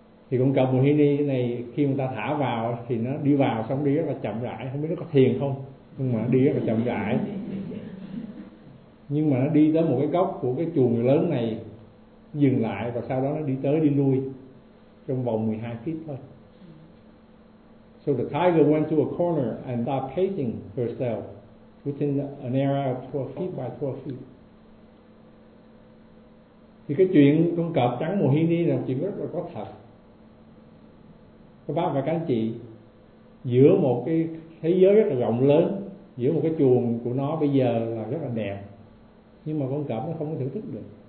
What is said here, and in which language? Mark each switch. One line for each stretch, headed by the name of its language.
Vietnamese: Thì con cọp Mohini này khi người ta thả vào thì nó đi vào xong đi rất là chậm rãi, không biết nó có thiền không, nhưng mà nó đi rất là chậm rãi. Nhưng mà nó đi tới một cái góc của cái chuồng lớn này, dừng lại và sau đó nó đi tới đi lui trong vòng 12 feet thôi.
English: So the tiger went to a corner and stopped pacing herself within an area of 12 feet by 12 feet.
Vietnamese: Thì cái chuyện con cọp trắng Mohini là chuyện rất là có thật. Các bác và các anh chị, giữa một cái thế giới rất là rộng lớn, giữa một cái chuồng của nó bây giờ là rất là đẹp, nhưng mà con cọp nó không có thưởng thức được.